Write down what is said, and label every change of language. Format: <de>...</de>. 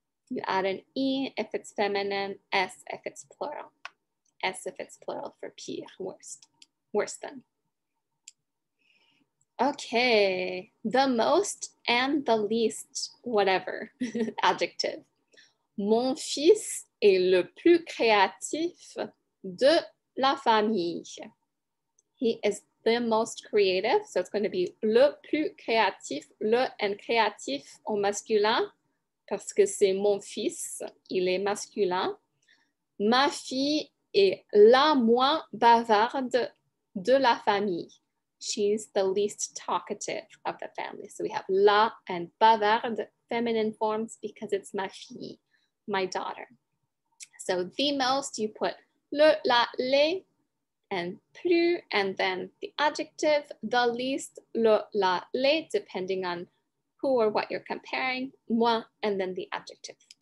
<en>You add an E if it's feminine, S if it's plural. S if it's plural for pire, worse than. Okay, the most and the least, whatever, adjective.</en> <fr>Mon fils est le plus créatif de la famille.</fr> <en>He is the most creative, so it's going to be</en> <fr>le plus créatif,</fr> <en>le and créatif</en> <fr>au masculin, parce que c'est mon fils, il est masculin. Ma fille est la moins bavarde de la famille.</fr> <en>She's the least talkative of the family. So we have la and bavarde, feminine forms, because it's ma fille, my daughter. So the most, you put le, la, les, and plus, and then the adjective, the least, le, la, les, depending on who or what you're comparing, moi, and then the adjective.</en>